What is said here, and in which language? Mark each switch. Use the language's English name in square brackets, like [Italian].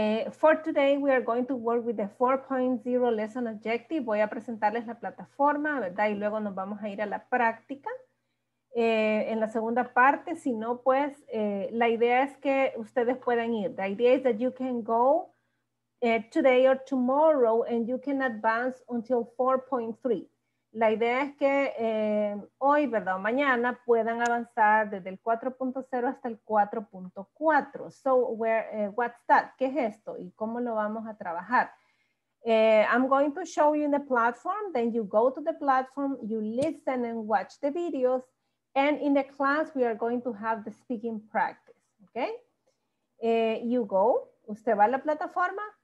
[English] For today, we are going to work with the 4.0 lesson objective. [Spanish] Voy a presentarles la plataforma, ¿verdad? Y luego nos vamos a ir a la práctica. En la segunda parte, si no, pues, la idea es que ustedes puedan ir. [English] The idea is that you can go today or tomorrow and you can advance until 4.3. [Spanish] La idea es que hoy, ¿verdad? O mañana puedan avanzar desde el 4.0 hasta el 4.4. [English] So, what's that? [Spanish] ¿Qué es esto? ¿Y cómo lo vamos a trabajar? [English] I'm going to show you in the platform. Then you go to the platform, you listen and watch the videos. And in the class, we are going to have the speaking practice. Okay? You go. [Spanish] Usted va a la plataforma.